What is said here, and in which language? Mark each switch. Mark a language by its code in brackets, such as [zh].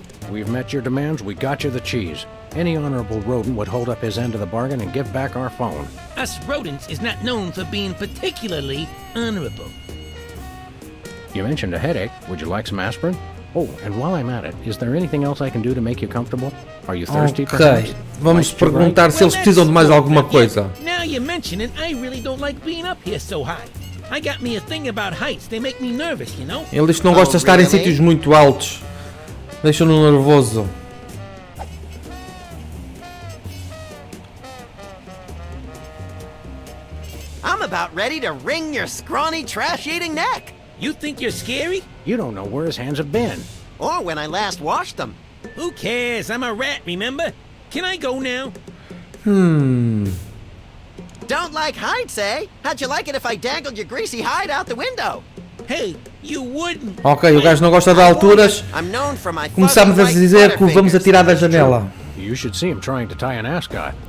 [en] We've met your demands, we got you the cheese. Any honorable rodent would hold up his end of the bargain and give back our phone. Us rodents is not known for being particularly honorable. You mentioned a headache. Would you like some aspirin? Oh, and while I'm at it, is there anything else I can do to make you comfortable? Are you thirsty, [pt] perhaps? Ok, vamos perguntar se eles precisam de mais alguma coisa. [en] Now Now you mention it, I really don't like being up here so high. I got me a thing about heights. They make me nervous, you know? [pt] Ele diz que não gosta de estar em sítios muito altos. Deixa-no nervoso. [en] I'm about ready to wring your scrawny, trash-eating neck. You think you're scary? You don't know where his hands have been. Or when I last washed them. Who cares? I'm a rat, remember? Can I go now? Don't like heights, eh? How'd you like it if I dangled your greasy hide out the window? Hey, you wouldn't. [pt] Ok, o gajo não gosta de alturas. Começámos a dizer que o vamos atirar da janela. [en] You should see him trying to tie an ascot.